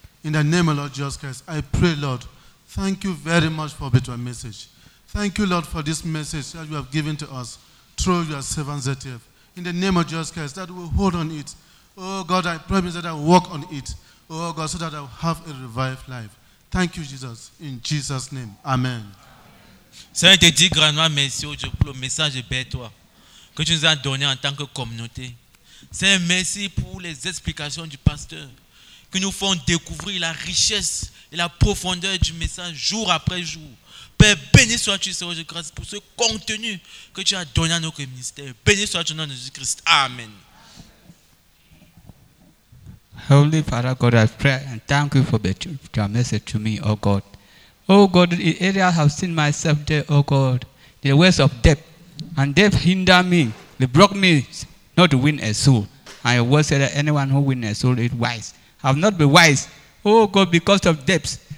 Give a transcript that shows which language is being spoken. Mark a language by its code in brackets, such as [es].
[en] In the name of Lord Jesus Christ, I pray, Lord, thank you very much for better message. Thank you, Lord, for this message that you have given to us through your servant ZTF. In the name of Jesus Christ, that we hold on it. Oh God, I promise that I walk on it, oh God, so that I have a revived life. Thank you, Jesus. In Jesus' name, amen. [fr] Seigneur, je te dis grandement merci aujourd'hui pour le message de Bertois que tu nous as donné en tant que communauté. Seigneur, merci pour les explications du pasteur qui nous font découvrir la richesse et la profondeur du message jour après jour. Père, béni sois-tu, Seigneur de grâce, pour ce contenu que tu as donné à notre ministère. Béni sois-tu au nom de Jésus-Christ. Amen. [en] Holy Father God, I pray and thank you for your message to me, oh God. Oh God, in areas I have seen myself there, oh God, the ways of death. And death hinder me. They broke me not to win a soul. And I will say that anyone who wins a soul is wise. I have not been wise, oh God, because of debts.